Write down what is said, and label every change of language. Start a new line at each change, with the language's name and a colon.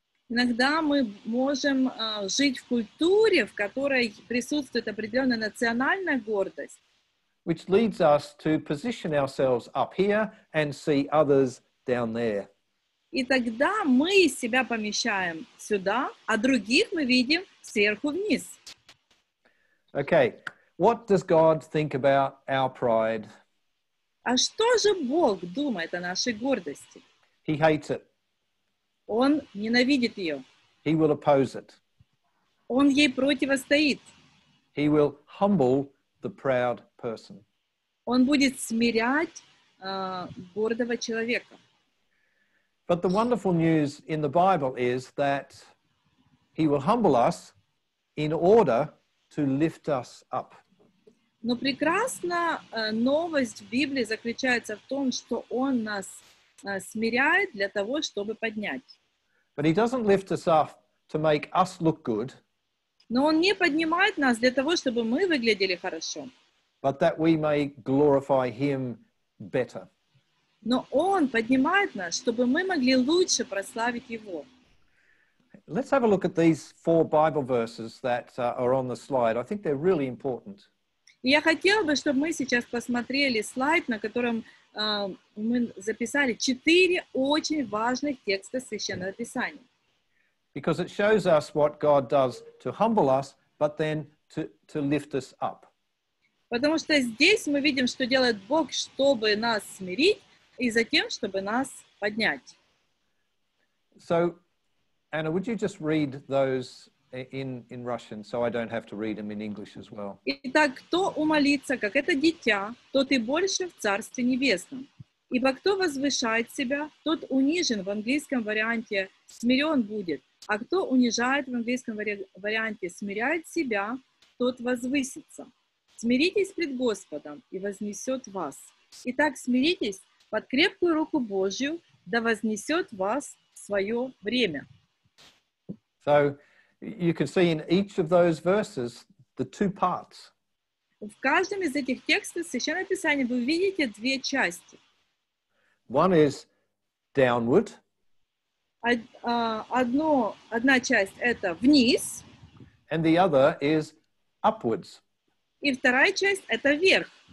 Russian: Иногда мы можем жить в культуре, в которой присутствует определенная национальная гордость.
English: Which leads us to position ourselves up here and see others down there.
Russian: И тогда мы себя помещаем сюда, а других мы видим сверху вниз.
English: Okay, what does God think about our pride?
Russian: А что же Бог думает о нашей гордости?
English: He hates it.
Russian: Он ненавидит ее.
English: He will oppose it.
Russian: Он ей противостоит.
English: He will humble the proud person.
Russian: Он будет смирять гордого человека.
English: But the wonderful news in the Bible is that he will humble us in order to lift us up.
Russian: Но прекрасная новость в Библии заключается в том, что он нас смиряет для того, чтобы поднять.
English: But he doesn't lift us up to make us look good.
Russian: Но он не поднимает нас для того, чтобы мы выглядели хорошо.
English: But that we may glorify him better.
Russian: Но он поднимает нас, чтобы мы могли лучше прославить его.
English: Let's have a look at these four Bible verses that are on the slide. I think they're really important.
Russian: Я хотела бы, чтобы мы сейчас посмотрели слайд, на котором мы записали четыре очень важных текста Священного Писания.
English: Because it shows us what God does to humble us, but then to lift us up.
Russian: Потому что здесь мы видим, что делает Бог, чтобы нас смирить, и затем, чтобы нас поднять.
English: So, Anna, would you just read those in Russian, so I don't have to read them in English as well?
Russian: Итак, кто умолится, как это дитя, тот и больше в Царстве Небесном. Ибо кто возвышает себя, тот унижен в английском варианте, смирен будет. А кто унижает в английском варианте, смиряет себя, тот возвысится. Смиритесь пред Господом, и вознесет вас. Итак, смиритесь под крепкую руку Божью, да вознесет вас в свое время.
English: So, you can see in each of those verses the two parts.
Russian: В каждом из этих текстов Священного Писания вы видите две части.
English: One is downward.
Russian: Одна часть — это вниз.
English: And the other is upwards.
Russian: И вторая часть — это вверх.